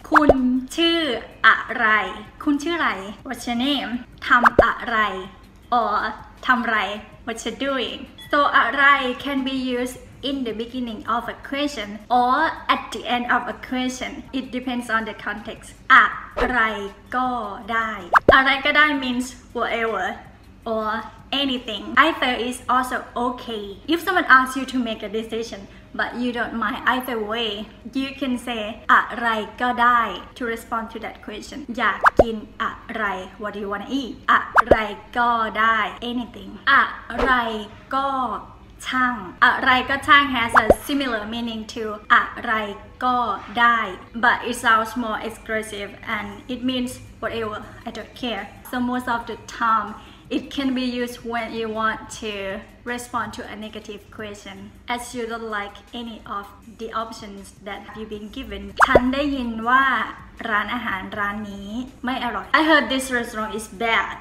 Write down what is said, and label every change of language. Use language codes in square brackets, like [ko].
[th] คุณชื่ออะไรคุณชื่ออะไร [en] What's your name? [th] ทำอะไร Or ทำไร [en] What you doing? So อะไร can be used in the beginning of a question or at the end of a question. It depends on the context. [th] อะไรก็ได้อะไรก็ได้ [en] means whatever or anything. Either is also okay. If someone asks you to make a decisionBut you don't mind either way. You can say [th] อะไรก็ได้ [en] to respond to that question. [th] อยากกินอะไร [en] What do you wanna eat? [th] อะไรก็ได้ [en] Anything. [th] อะไรก็ช่าง อะไรก็ช่าง [en] has a similar meaning to อะไรก็ได้ But it sounds more expressive and it means whatever. I don't care. So most of the time. It can be used when you want to respond to a negative question as you don't like any of the options that you've been given. [th] ฉันได้ยินว่าร้านอาหารร้านนี้ไม่อร่อย [en] I heard this restaurant is bad.